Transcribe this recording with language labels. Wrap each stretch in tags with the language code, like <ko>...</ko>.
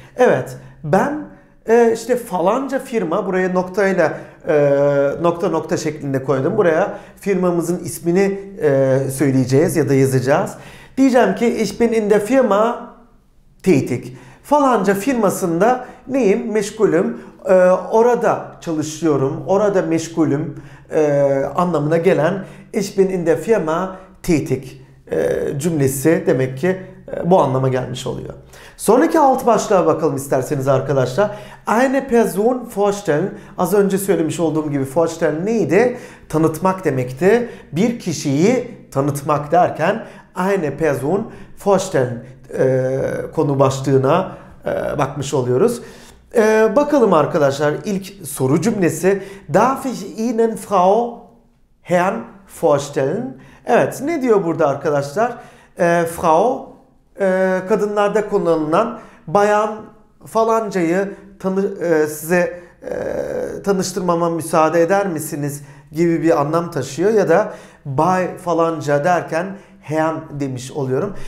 <tr>Evet, ben işte falanca firma, buraya noktayla nokta nokta şeklinde koydum. Buraya firmamızın ismini söyleyeceğiz ya da yazacağız. Diyeceğim ki</tr> <de>ich bin in der Firma tätig.</de> <tr>Falanca firmasında neyim? Meşgulüm. Orada çalışıyorum. Orada meşgulüm anlamına gelen</tr> <de>ich bin in der Firma tätig</de> <tr>cümlesi demek ki bu anlama gelmiş oluyor. Sonraki alt başlığa bakalım isterseniz arkadaşlar.</tr> <de>Eine Person vorstellen,</de> <tr>az önce söylemiş olduğum gibi vorstellen neydi? Tanıtmak demekti. Bir kişiyi tanıtmak derken</tr> <de>eine Person vorstellen</de> <tr>konu başlığına bakmış oluyoruz. Bakalım arkadaşlar, ilk soru cümlesi.</tr> <de>Darf ich Ihnen Frau Herrn vorstellen?</de> <tr>Evet, ne diyor burada arkadaşlar? Frau, kadınlarda kullanılan bayan falancayı size tanıştırmama müsaade eder misiniz gibi bir anlam taşıyor. Ya da bay falanca derken Herrn demiş oluyorum.</tr>